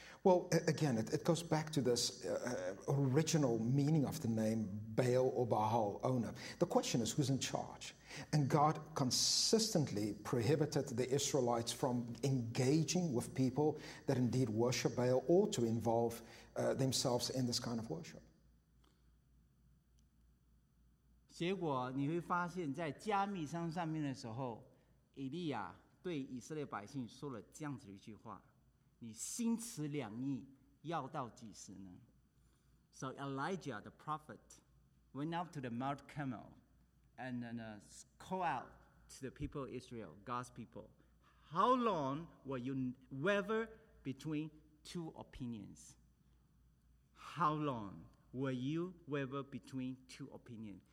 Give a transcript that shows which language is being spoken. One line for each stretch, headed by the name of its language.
English: Well, again, it goes back to this original meaning of the name Baal or Baal, owner. The question is, who's in charge? And God consistently prohibited the Israelites from engaging with people that indeed worship Baal or to involve themselves in this kind of worship.
Chinese: 结果你会发现在加密山上面的时候，以利亚对以色列百姓说了这样子一句话。你心慈两意要到几时呢？
English: So Elijah the prophet went up to the Mount Carmel and then called out to the people of Israel, God's people, how long will you waver between two opinions? How long will you waver between two opinions?